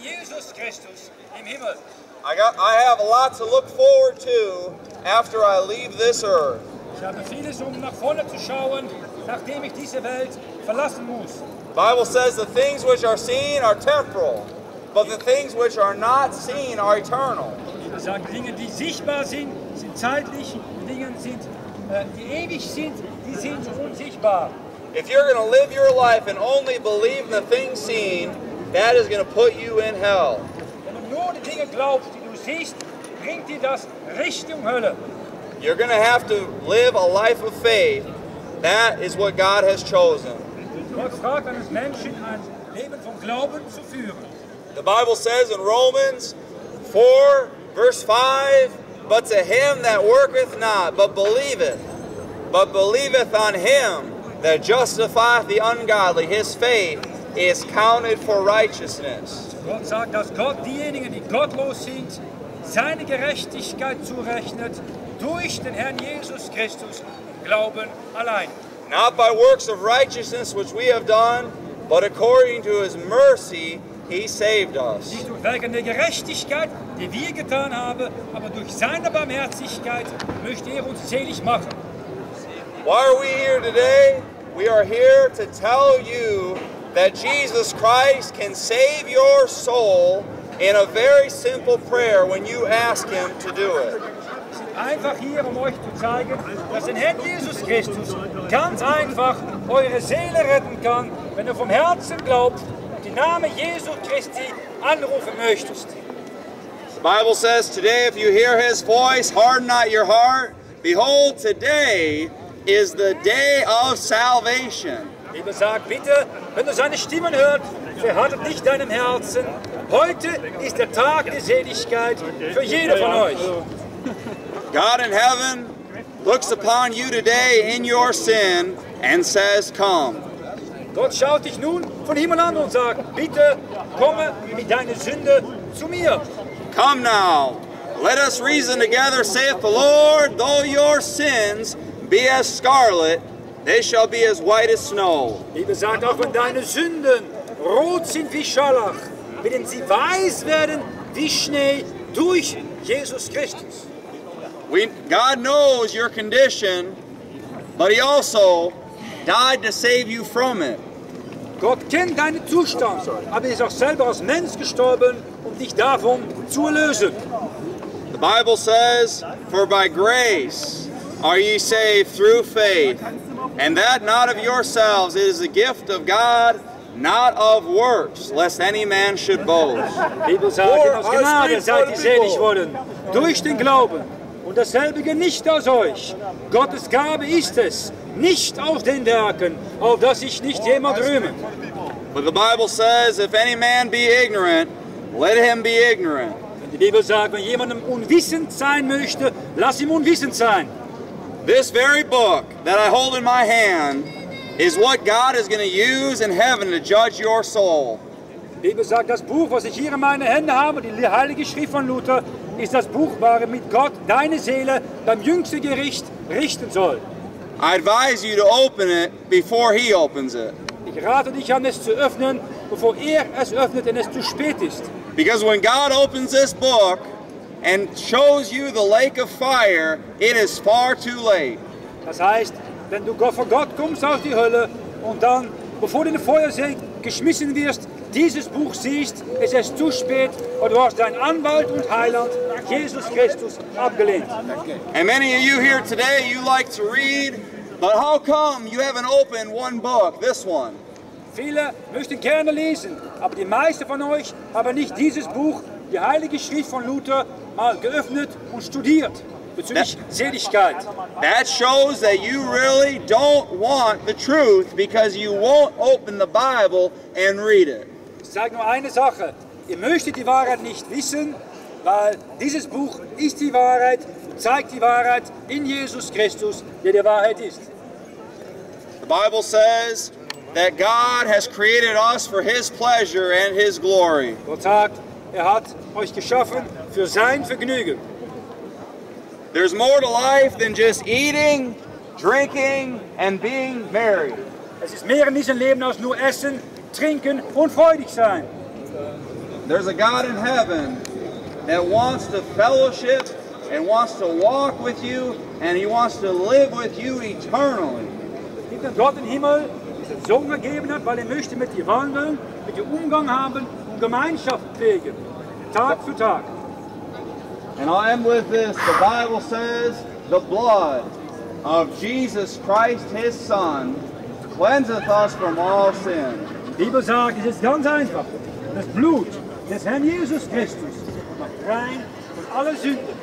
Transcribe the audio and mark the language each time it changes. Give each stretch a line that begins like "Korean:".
English: I have a lot to look forward to after I leave this earth. Bible says the things which are seen are temporal. But the things which are not seen are eternal.
German: Dinge, die sichtbar sind, sind zeitlich. Dinge sind, die ewig sind, die sind unsichtbar.
English: If you're going to live your life and only believe in the things seen, that is going to put you in hell.
German: Wenn du nur die Dinge glaubst, die du siehst, bringt dir das Richtung Hölle.
English: You're going to have to live a life of faith. That is what God has chosen.
German: Gott fragt eines Menschen, ein Leben vom Glauben zu führen.
English: The Bible says in Romans 4, verse 5, but to him that worketh not, but believeth on him that justifieth the ungodly, his faith is counted for righteousness.
German: Gott sagt, dass Gott diejenigen, die gottlos sind, seine Gerechtigkeit zurechnet durch den Herrn Jesus Christus, Glauben allein.
English: Not by works of righteousness which we have done, but according to his mercy, he saved us.
German: Nicht durch wegen der Gerechtigkeit, die wir getan haben, aber durch seine Barmherzigkeit möchte er uns selig machen.
English: Why are we here today? We are here to tell you that Jesus Christ can save your soul in a very simple prayer when you ask him to do it.
German: Wir sind einfach hier, um euch zu zeigen, dass ein Herr Jesus Christus ganz einfach eure Seele retten kann, wenn ihr vom Herzen glaubt, den Namen Jesu Christi anrufen möchtest.
English: The Bible says, today if you hear his voice, harden not your heart. Behold, today is the day of salvation.
German: Eben sagt, bitte, wenn du seine Stimmen hörst, verhärtet nicht deinem Herzen. Heute ist der Tag der Seligkeit für jeden von euch.
English: God in heaven looks upon you today in your sin and says, come.
German: Gott schaut dich nun von Himmel an und sagt, bitte, komme mit deiner Sünde zu mir.
English: Come now, let us reason together, saith the Lord, though your sins be as scarlet, they shall be as white as snow.
German: Liebe sagt, auch wenn deine Sünden rot sind wie Scharlach, werden sie weiß werden wie Schnee durch Jesus Christus.
English: God knows your condition, but he also died to save you from it.
German: Gott kennt deinen Zustand, aber ist auch selber als Mensch gestorben, um dich davon zu erlösen.
English: The Bible says, for by grace are ye saved through faith, and that not of yourselves, it is the gift of God, not of works, lest any man should boast.
German: Bibel sagt, aus Gnade seid ihr selig worden, durch den Glauben. Und dasselbe nicht aus euch. Gottes Gabe ist es, nicht aus den Werken, auf das ich nicht jemand rühme.
English: But the Bible says, if any man be ignorant, let him be ignorant.
German: Und die Bibel sagt, wenn jemandem unwissend sein möchte, lass ihm unwissend sein.
English: This very book that I hold in my hand is what God is going to use in heaven to judge your soul.
German: Die Bibel sagt, das Buch, was ich hier in meinen Händen habe, die Heilige Schrift von Luther, ist das Buch, worin mit Gott deine Seele beim jüngsten Gericht richten soll.
English: I advise you to open it before he opens it.
German: Ich rate dich an, es zu öffnen, bevor es öffnet und es zu spät ist.
English: Because when God opens this book and shows you the lake of fire, it is far too late.
German: Das heißt, wenn du vor Gott kommst aus die Hölle und dann, bevor du in den Feuersee geschmissen wirst, dieses Buch siehst, ist es zu spät, und du hast deinen Anwalt und Heiland, Jesus Christus, abgelehnt.
English: And many of you here today, you like to read, but how come you haven't opened one book, this one?
German: Viele möchten gerne lesen, aber die meisten von euch haben nicht dieses Buch, die Heilige Schrift von Luther, mal geöffnet und studiert, bezüglich Seligkeit.
English: That shows that you really don't want the truth, because you won't open the Bible and read it.
German: Ich sage nur eine Sache, ihr möchtet die Wahrheit nicht wissen, weil dieses Buch ist die Wahrheit, zeigt die Wahrheit in Jesus Christus, der die Wahrheit ist.
English: The Bible says that God has created us for his pleasure and his glory.
German: Gott sagt, hat euch geschaffen für sein Vergnügen.
English: There's more to life than just eating, drinking and being merry.
German: Es ist mehr in diesem Leben als nur essen, trinken und freudig sein.
English: There's a God in heaven that wants to fellowship and wants to walk with you, and he wants to live with you eternally.
German: Gibt es Gott im Himmel, der Sohn gegeben hat, weil möchte mit dir wandeln, mit dir Umgang haben und Gemeinschaft pflegen, Tag für Tag.
English: And I'll end with this. The Bible says the blood of Jesus Christ, his Son, cleanseth us from all sin.
German: Die Bibel sagt, es ist ganz einfach. Das Blut des Herrn Jesus Christus macht rein von aller Sünde.